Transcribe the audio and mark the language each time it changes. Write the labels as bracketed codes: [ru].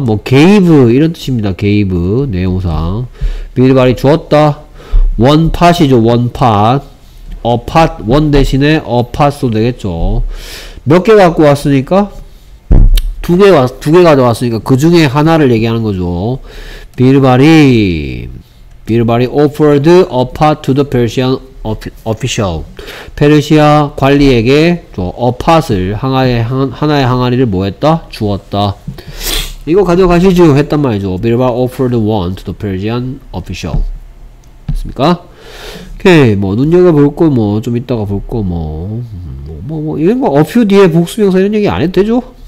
[ko] 뭐 gave 이런 뜻입니다. gave 내용상. [en] Birbal이 [ko] 주었다. [en] One pot이죠. One pot. A pot. [ko] One 대신에 a pot도 되겠죠. 몇 개 갖고 왔습니까? 두 개 가져왔으니까 그 중에 하나를 얘기하는 거죠. [en] Birbal이 offered a pot to the Persian official. [ko] 페르시아 관리에게 a pot을 하나의 항아리를 뭐 했다? 주었다. 이거 가져가시죠 했단 말이죠. [en] Birbal offered one to the Persian official. 됐습니까? 오케이. [ko] 뭐 눈여겨볼 거 뭐 좀 이따가 볼 거 뭐 이런 거 a few 뒤에 복수명사 이런 얘기 안 해도 되죠?